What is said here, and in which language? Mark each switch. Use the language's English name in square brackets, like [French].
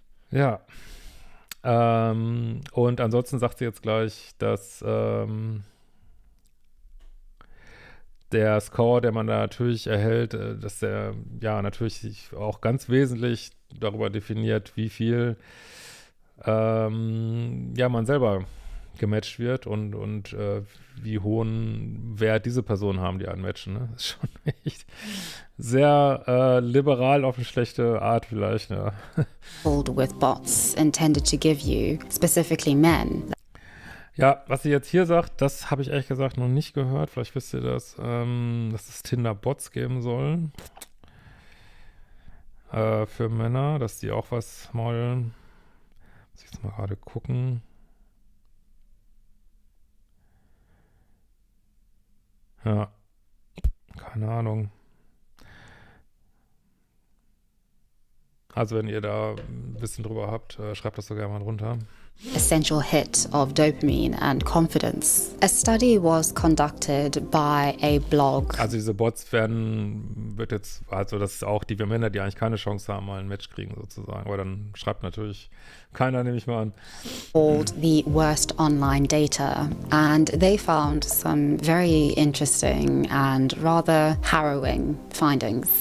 [German] Ja. Und ansonsten sagt sie jetzt gleich, dass der Score, den man da natürlich erhält, dass der ja natürlich sich auch ganz wesentlich darüber definiert, wie viel ja, man selber gematcht wird und wie hohen Wert diese Personen haben, die einen matchen. Ne? Das ist schon echt sehr liberal auf eine schlechte Art vielleicht. Ne? [English] With bots intended to give you, specifically men. [German] Ja, was sie jetzt hier sagt, das habe ich ehrlich gesagt noch nicht gehört. Vielleicht wisst ihr das, dass es Tinder-Bots geben soll. Für Männer, dass die auch was wollen. Muss ich jetzt mal gerade gucken. Ja, keine Ahnung. Also wenn ihr da Wissen drüber habt, schreibt das so gerne mal runter. [English] Essential hit of dopamine and confidence. A study was conducted by a blog. [German] Also diese Bots werden, wird jetzt, also das ist auch die wir Männer, die eigentlich keine Chance haben, mal ein Match kriegen sozusagen. Aber dann schreibt natürlich keiner, nehme ich mal an. [English] Called the worst online data. And they found some very interesting and rather harrowing findings.